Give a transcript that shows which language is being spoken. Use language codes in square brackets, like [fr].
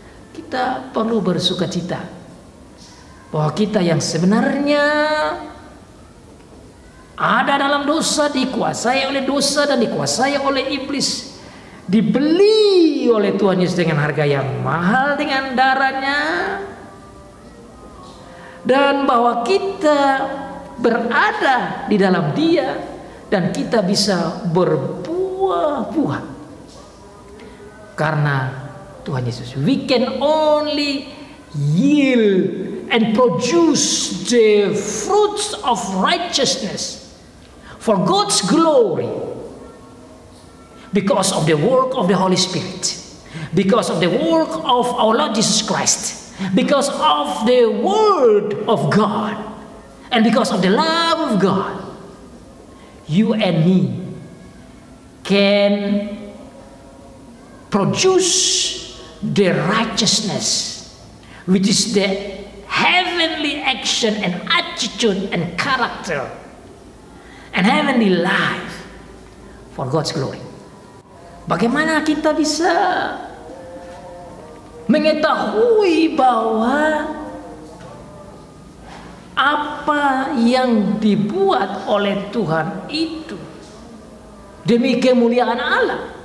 [id] Kita perlu bersuka cita bahwa kita yang sebenarnya ada dalam dosa, dikuasai oleh dosa dan dikuasai oleh iblis, dibeli oleh Tuhan Yesus dengan harga yang mahal, dengan darah-Nya, dan bahwa kita berada di dalam Dia dan kita bisa berbuah-buah karena Tuhan Yesus. [en] We can only yield and produce the fruits of righteousness for God's glory because of the work of the Holy Spirit, because of the work of our Lord Jesus Christ, because of the Word of God, and because of the love of God. You and me can produce the righteousness, which is the heavenly action and attitude and character and heavenly life for God's glory. [id] Bagaimana kita bisa mengetahui bahwa apa yang dibuat oleh Tuhan itu demi kemuliaan Allah?